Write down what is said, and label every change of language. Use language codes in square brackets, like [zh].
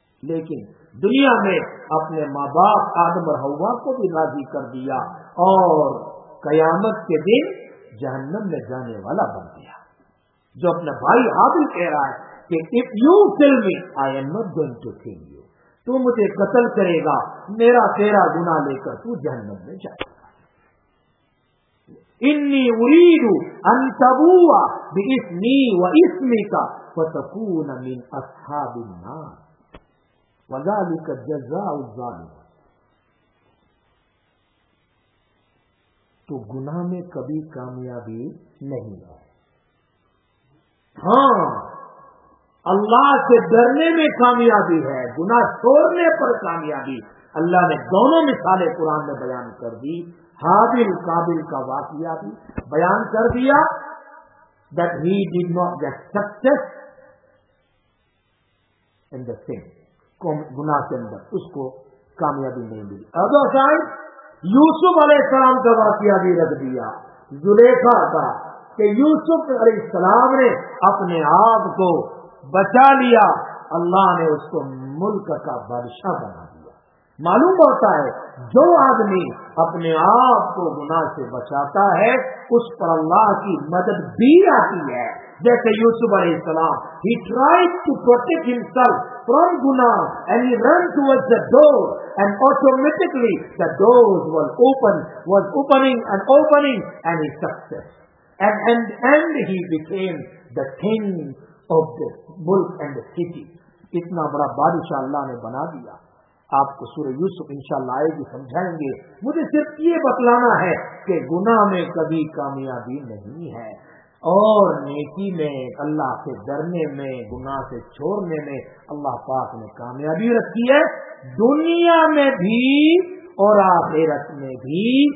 [ur] لیکن دنیا میں اپنے ماں باپ آدم اور حوا کو بھی راضی کر دیا اور قیامت کے دن جہنم میں جانے والا بن گیا. جو اپنے بھائی عادل کہہ رہا ہے کہ اف یو کل می I am not going to kill you, تو مجھے قتل کرے گا میرا تیرا گناہ لے کر تو جہنم میں جائے. [ar] انی اريد ان تبوا باسمي واسمك فتكون من اصحاب النار وذلك جزاء الظالمين. [ur] تو گناہ میں کبھی کامیابی نہیں ہے. ہاں اللہ سے ڈرنے میں کامیابی ہے, گناہ چھوڑنے پر کامیابی. اللہ نے دونوں مثالیں قرآن میں بیان کر دی, حابل قابل کا واقعہ بھی بیان کر دیا [en] that he did not get success in the thing, [ur] گناہ کے اندر اس کو کامیابی نہیں ملی. [en] other side [ur] یوسف علیہ السلام کا واقعہ بھی رکھ دیا, زلیخا کا, کہ یوسف علیہ السلام نے اپنے آپ کو بچا لیا, اللہ نے اس کو ملک کا بادشاہ بنا. معلوم ہوتا ہے جو آدمی اپنے آپ کو گناہ سے بچاتا ہے اس پر اللہ کی مدد بھی آتی ہے. جیسے یوسف علیہ السلام [en] he tried to protect himself from gunah and he ran towards the door and automatically the door was opening and he success and he became the king of the mulk and the city. [ur] اتنا بڑا بادشاہ اللہ نے بنا دیا. آپ کو سورہ یوسف انشاءاللہ آئے گی سمجھائیں گے. مجھے صرف یہ بتلانا ہے کہ گناہ میں کبھی کامیابی نہیں ہے اور نیکی میں اللہ سے ڈرنے میں گناہ سے چھوڑنے میں اللہ پاک نے کامیابی رکھی ہے دنیا میں بھی اور آخرت میں بھی.